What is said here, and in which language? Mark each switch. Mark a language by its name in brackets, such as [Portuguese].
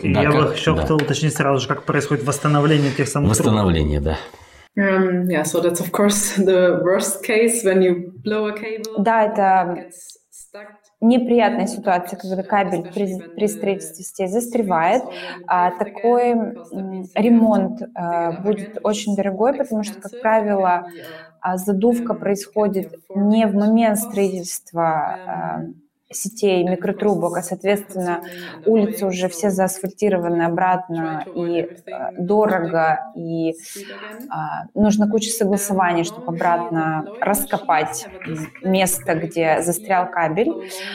[Russian] Хотел уточнить сразу же, как происходит восстановление тех самых трубок. Восстановление, да. [English] So that's of course the worst case when you blow a cable. [Russian] Да, это неприятная ситуация, когда кабель при строительстве сети застревает. Такой ремонт будет очень дорогой, потому что, как правило, задувка происходит не в момент строительства сетей, микротрубок, а, соответственно, улицы уже все заасфальтированы обратно, и дорого, и нужно куча согласований, чтобы обратно раскопать место, где застрял кабель.